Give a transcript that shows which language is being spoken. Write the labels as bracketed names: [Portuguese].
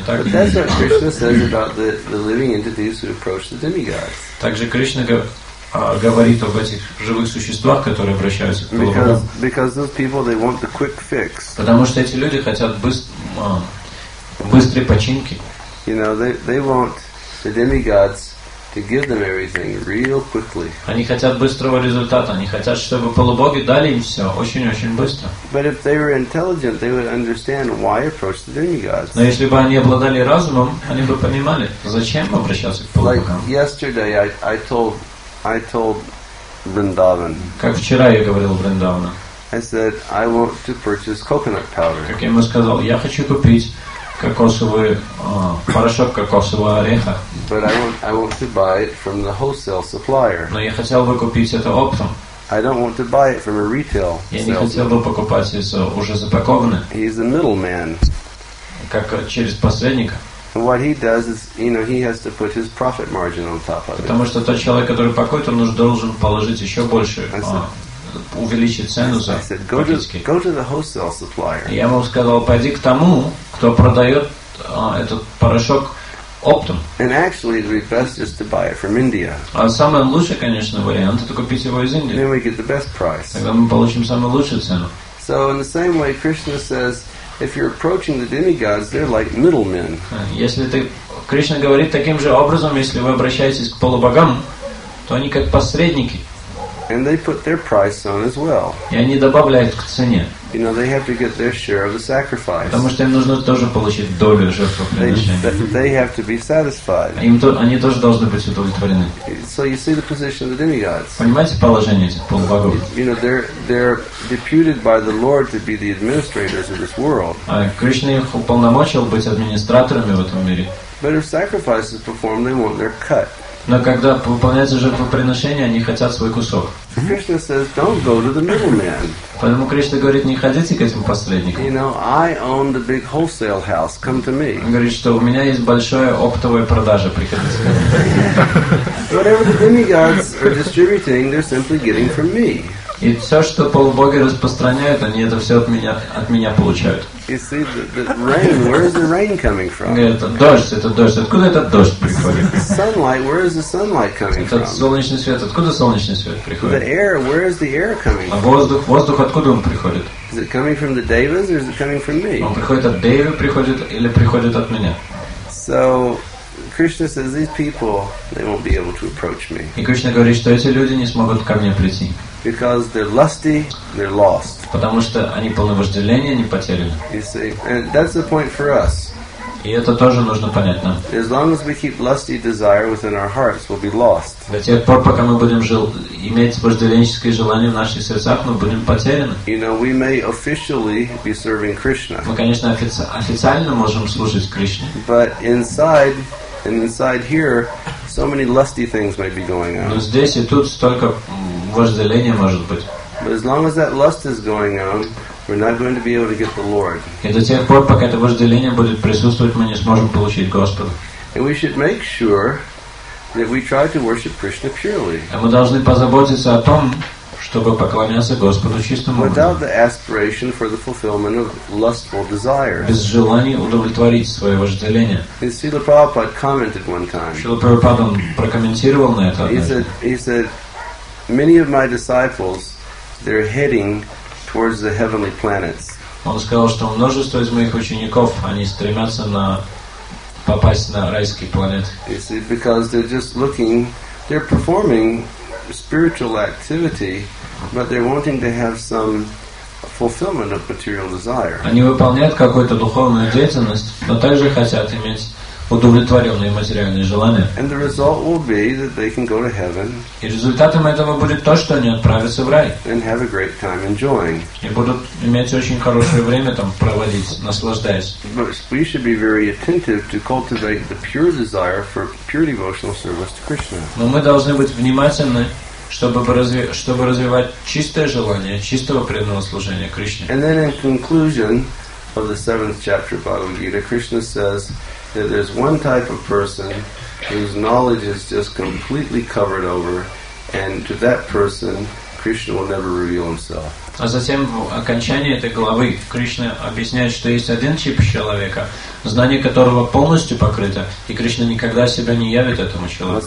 [English] that's what Krishna says about the living entities who approach the demigods. [Russian] Также Кришна говорит об этих живых существах, которые обращаются к полубогам. [English] Because those people they want the quick fix. [Russian] Потому что эти люди хотят быстрой починки. [English] You know, they want the demigods to give them everything real quickly. [Russian] Они хотят быстрого результата. Они хотят, чтобы полубоги дали им все очень-очень быстро. [English] But if they were intelligent, they would understand why approach the demigods. [Russian] Но если бы они обладали разумом, они бы понимали, зачем обращаться к полубогам. [English] Like yesterday, I told Vrindavan. [Russian] Как вчера я говорил Вриндавану. [English] I said I want to purchase coconut powder. [Russian] Как я ему сказал, я хочу купить кокосовый порошок кокосового ореха. [English] But I want to buy it from the wholesale supplier. [Russian] Но я хотел бы купить это оптом. [English] I don't want to buy it from a retail. [Russian] Я не хотел бы покупать это уже запакованное. [English] He's a middleman. [Russian] Как через посредника. [English] And what he does is, you know, he has to put his profit margin on top of it. [Russian] Потому что тот человек, который пакует, он должен положить еще больше, увеличить цену за пакетики. [English] Go to the wholesale supplier. [Russian] Я ему сказал, пойди к тому, кто продает этот порошок. Optum. [English] And actually, it would be best just to buy it from India. [Russian] Самый лучший, конечно, вариант это купить его из Индии. [English] Then we get the best price. [Russian] Тогда мы получим самую лучшую цену. [English] So in the same way, Krishna says, if you're approaching the demigods, they're like middlemen. [Russian] Если ты Кришна говорит таким же образом, если вы обращаетесь к полубогам, то они как посредники. [English] And they put their price on as well. [Russian] И они добавляют к цене. [English] You know, they have to get their share of the sacrifice. [Russian] Потому что им нужно тоже получить долю жертвоприношения. [English] They have to be satisfied. [Russian] Они тоже должны быть удовлетворены. [English] So you see the position of the demigods. [Russian] Понимаете положение этих полубогов? [English] You know, they're deputed by the Lord to be the administrators of this world. [Russian] А Кришна их уполномочил быть администраторами в этом мире. [English] But if sacrifice is performed, they want their cut. [Russian] Но когда выполняется жертвоприношение, они хотят свой кусок. [English] Krishna says, "Don't go to the middleman." [Russian] Поэтому Кришна говорит, не ходите к этим посредникам. [English] You know, I own the big wholesale house. Come to me. [Russian] Он говорит, что у меня есть большая оптовая продажа. Приходите ко мне. [English] Whatever the demigods are distributing, they're simply getting from me. [Russian] И все, что полубоги распространяют, они это все от меня получают. [English] You see, the rain, where is the rain coming from? [Russian] Это дождь. Откуда этот дождь приходит? [English] Sunlight, where is the sunlight coming from? [Russian] Это солнечный свет. Откуда солнечный свет приходит? [English] The air, where is the air coming from? [Russian] А воздух, откуда он приходит? [English] Is it coming from the devas or is it coming from me? [Russian] Он приходит от Девы, приходит или приходит от меня? [English] So Krishna says these people, they won't be able to approach me. [Russian] И Кришна говорит, что эти люди не смогут ко мне прийти. [English] Because they're lusty, they're lost. [Russian] Потому что они полны вожделения, они потеряны. [English] You see, and that's the point for us. [Russian] И это тоже нужно понять нам. [English] As long as we keep lusty desire within our hearts, we'll be lost. [Russian] До тех пор, пока мы будем иметь вожделенческое желание в наших сердцах, мы будем потеряны. [English] You know, we may officially be serving Krishna. [Russian] Мы, конечно, официально можем служить Кришне. [English] But inside, and inside here, so many lusty things may be going on. [Russian] Но здесь и тут столько вожделения может быть. [English] But as long as that lust is going on, we're not going to be able to get the Lord. [Russian] И до тех пор, пока это вожделение будет присутствовать, мы не сможем получить Господа. [English] And we should make sure that we try to worship Krishna purely. [Russian] А мы должны позаботиться о том, чтобы поклоняться Господу чистым образом. [English] Without the aspiration for the fulfillment of lustful desires. [Russian] Без желания удовлетворить свое вожделение. [English] And Srila Prabhupada commented one time. [Russian] Srila Prabhupada прокомментировал на это. [English] He said, many of my disciples, they're heading towards the heavenly planets. [Russian] Он сказал, что множество из моих учеников, они стремятся попасть на райские планеты. [English] You see, because they're just looking, they're performing spiritual activity, but they're wanting to have some fulfillment of material desire. [Russian] Они выполняют какую-то духовную деятельность, но также хотят иметь удовлетворенные материальные желания. [English] And the result will be that they can go to heaven. [Russian] И результатом этого будет то, что они отправятся в рай. [English] And have a great time enjoying. [Russian] И будут иметь очень хорошее время там проводить, наслаждаясь. [English] But we should be very attentive to cultivate the pure desire for pure devotional service to Krishna. [Russian] Но мы должны быть внимательны, чтобы развивать чистое желание чистого преданного служения Кришне. [English] And then in conclusion of the 7th chapter of Bhagavad Gita, Krishna says that there's one type of person whose knowledge is just completely covered over, and to that person Krishna will never reveal himself. [Russian] А затем в окончании этой главы Кришна объясняет, что есть один тип человека, знание которого полностью покрыто, и Кришна никогда себя не явит этому человеку.